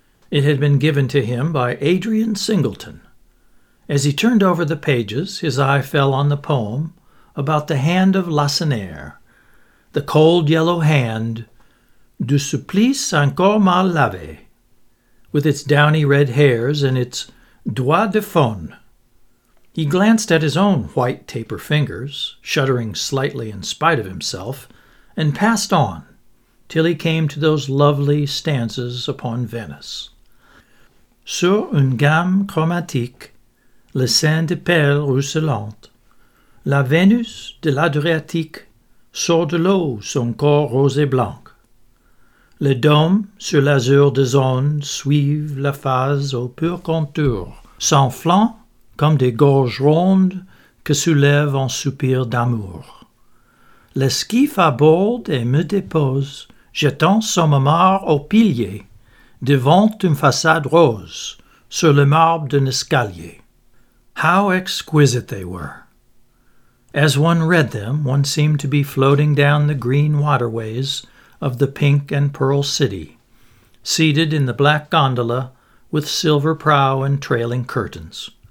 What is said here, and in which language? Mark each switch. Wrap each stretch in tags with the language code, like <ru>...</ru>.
<en>It had been given to him by Adrian Singleton. As he turned over the pages, his eye fell on the poem about the hand of Lacenaire, the cold yellow hand,</en> <fr>du supplice encore mal lavé,</fr> <en>with its downy red hairs and its</en> <fr>doigt de faune.</fr> <en>He glanced at his own white taper fingers, shuddering slightly in spite of himself, and passed on, till he came to those lovely stanzas upon Venice.</en> <fr>sur une gamme chromatique, le sein de perles ruisselantes, la Vénus de l'Adriatique sort de l'eau son corps rose et blanc. Le dôme sur l'azur des zones suivent la phase au pur contour, s'enflant comme des gorges rondes que soulève en soupir d'amour. Le skiff aborde et me dépose, jetant son mamar au pilier, devant une façade rose, sur le marbre d'un escalier.</fr> <en>How exquisite they were! As one read them, one seemed to be floating down the green waterways of the pink and pearl city, seated in the black gondola with silver prow and trailing curtains.</en>